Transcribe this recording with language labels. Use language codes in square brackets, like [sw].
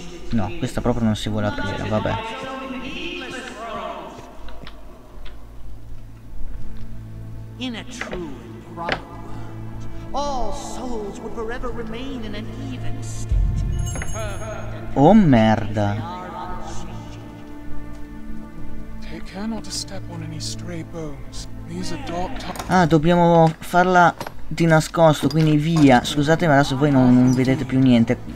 [it] No, questa proprio non si vuole aprire, vabbè. [en] In a true and proper world, all souls would forever remain in an even state. [it] Oh merda. [en] They cannot step on any stray bones. These are dark times. [it] Ah, dobbiamo farla di nascosto, quindi via. Scusate, ma adesso voi non vedete più niente.